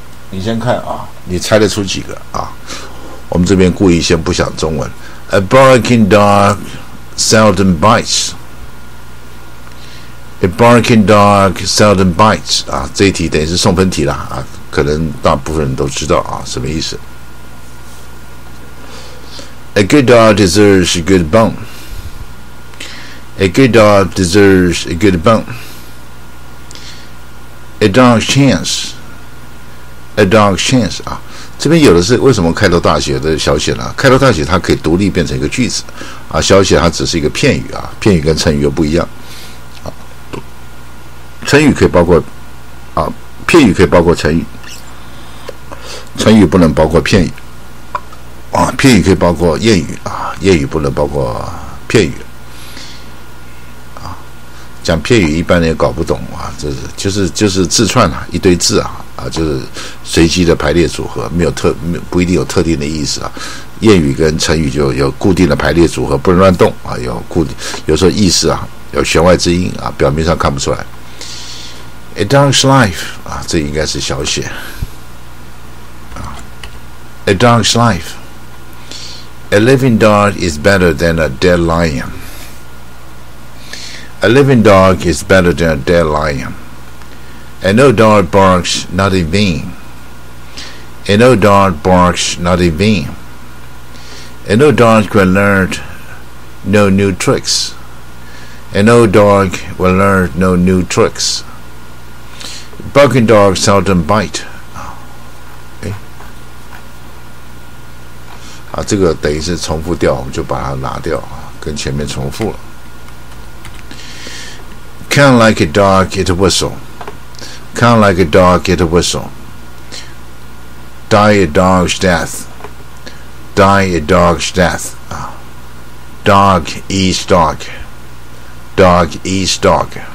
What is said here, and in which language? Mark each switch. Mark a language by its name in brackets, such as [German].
[Chinese] 你先看啊，你猜得出几个啊？我们这边故意先不想中文。 [English] A barking dog seldom bites. A barking dog seldom bites. [Chinese] 啊，这一题等于是送分题了啊，可能大部分人都知道啊，什么意思？ [English] A good dog deserves a good bone. A good dog deserves a good bone. A dog's chance. A dog's chance. [Chinese] 啊，这边有的是为什么开头大写的小写呢？开头大写它可以独立变成一个句子，啊，小写它只是一个片语啊，片语跟成语又不一样。啊，成语可以包括啊，片语可以包括成语，成语不能包括片语。啊，片语可以包括谚语啊，谚语不能包括片语啊。讲片语一般人也搞不懂啊，这是就是自串啊，一堆字啊啊，就是随机的排列组合，不一定有特定的意思啊。谚语跟成语就有固定的排列组合，不能乱动啊，有固定，有时候意思啊有弦外之音啊，表面上看不出来。 [English] A dog's life [Chinese] 啊，这应该是小写啊。 [English] A dog's life. A living dog is better than a dead lion. A living dog is better than a dead lion. An old dog barks not in vain. An old dog barks not in vain. An old dog will learn no new tricks. An old dog will learn no new tricks. Barking dogs seldom bite. [Chinese] 啊，这个等于是重复掉，我们就把它拿掉啊，跟前面重复了。 [English] Kind of like a dog, it whistle. Kind of like a dog, it whistle. Die a dog's death. Die a dog's death. Dog eats dog. Dog eats dog.